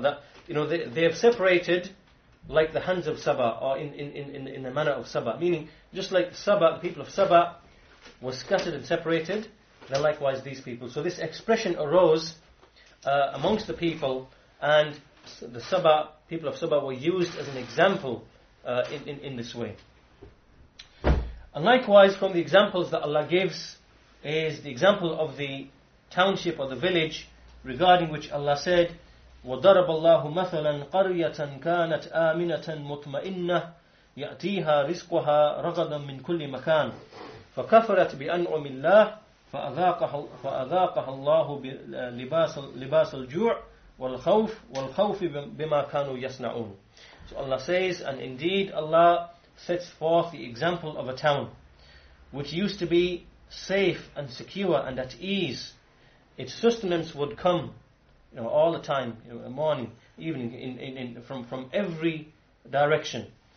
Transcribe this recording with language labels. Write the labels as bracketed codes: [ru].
[en] That, you know, they have separated like the hands of Saba, or in the manner of Saba, meaning just like Saba, the people of Saba were scattered and separated, then likewise these people. So this expression arose amongst the people, and the Saba, people of Saba, were used as an example in this way. And likewise, from the examples that Allah gives, is the example of the township or the village regarding which Allah said, [ar] وَضَرَبَ اللَّهُ مَثَلًا قَرْيَةً كَانَتْ آمِنَةً مُطْمَئِنَّةً يَأْتِيهَا رِزْقُهَا رَغَدًا مِنْ كُلِّ مَكَانٍ فَكَفَرَتْ بِأَنْعُمِ اللَّهِ فَأَذَاقَهَا اللَّهُ لِبَاسَ الْجُوعِ وَالْخَوْفِ بِمَا كَانُوا يَصْنَعُونَ. [en] So Allah says, and indeed Allah sets forth the example of a town which used to be safe and secure and at ease. Its sustenance would come, you know, all the time, you know, morning, evening, from every direction.